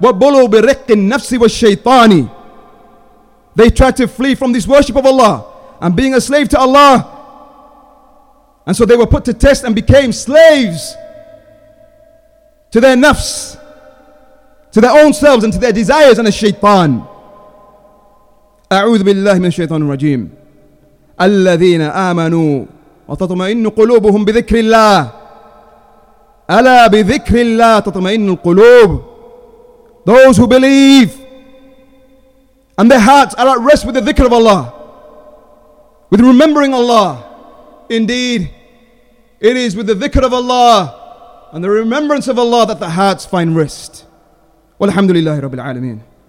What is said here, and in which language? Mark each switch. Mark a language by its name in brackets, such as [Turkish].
[Arabic] وَبُلُوا بِرِقِّ النَّفْسِ وَالشَّيْطَانِ. [English] They tried to flee from this worship of Allah and being a slave to Allah. And so they were put to test and became slaves to their nafs, to their own selves and to their desires and the shaytan. [Arabic] أعوذ بالله من الشيطان الرجيم. الذين آمنوا وتطمئن قلوبهم بذكر الله. ألا بذكر الله تطمئن القلوب. [English] Those who believe and their hearts are at rest with the dhikr of Allah, with remembering Allah. Indeed, it is with the dhikr of Allah and the remembrance of Allah that the hearts find rest. [Arabic] Walhamdulillahi Rabbil Alameen.